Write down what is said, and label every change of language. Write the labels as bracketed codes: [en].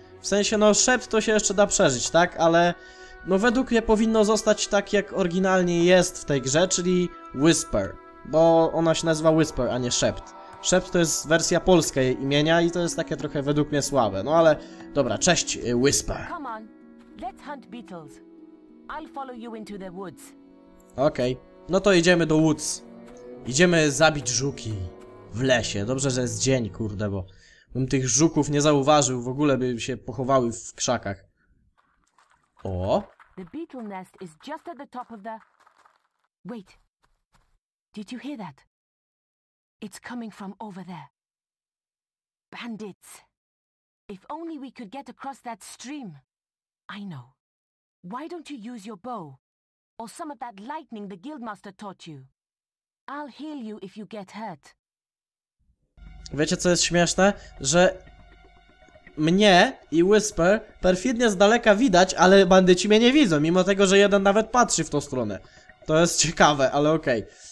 [pl] W sensie, no Szept to się jeszcze da przeżyć, tak? Ale... No według mnie powinno zostać tak, jak oryginalnie jest w tej grze, czyli Whisper. Bo ona się nazywa Whisper, a nie Szept. Szep to jest wersja polska jej imienia i to jest takie trochę według mnie słabe. No ale dobra, cześć, Whisper. [en] Come on, let's hunt beetles. I'll follow you into the woods. [pl] Okej, no to idziemy do woods. Idziemy zabić żuki w lesie. Dobrze, że jest dzień, kurde, bo bym tych żuków nie zauważył, w ogóle by się pochowały w krzakach. O! [en] The beetle nest is just at the top of the... Wait. Did you hear that? It's coming from over there. Bandits. If only we could get across that stream. I know. Why don't you use your bow? Or some of that lightning the guildmaster taught you? I'll heal you if you get hurt. [pl] Wiecie, co jest śmieszne? Że mnie i Whisper perfidnie z daleka widać, ale bandyci mnie nie widzą, mimo tego, że jeden nawet patrzy w tą stronę. To jest ciekawe, ale okej.